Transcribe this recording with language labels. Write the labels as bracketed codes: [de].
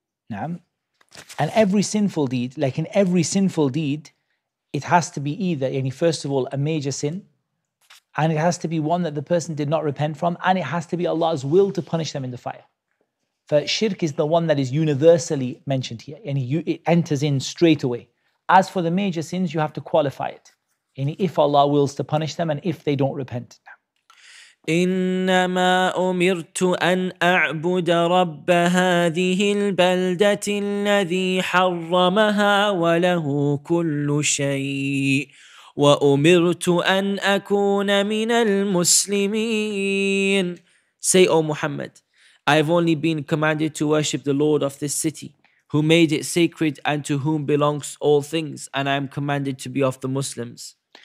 [en] And every sinful deed, like in every sinful deed, it has to be either, yani, first of all, a major sin, and it has to be one that the person did not repent from, and it has to be Allah's will to punish them in the fire. For shirk is the one that is universally mentioned here, and it enters in straight away. As for the major sins, you have to qualify it. And if Allah wills to punish them and if they don't repent. [ar] إنما أمرت أن أعبد رب هذه البلدة الذي حرمها وله كل شيء وأمرت أن أكون من المسلمين. [en] Say, O Muhammad, I have only been commanded to worship the Lord of this city, who made it sacred and to whom belongs all things, and I am commanded to be of the Muslims.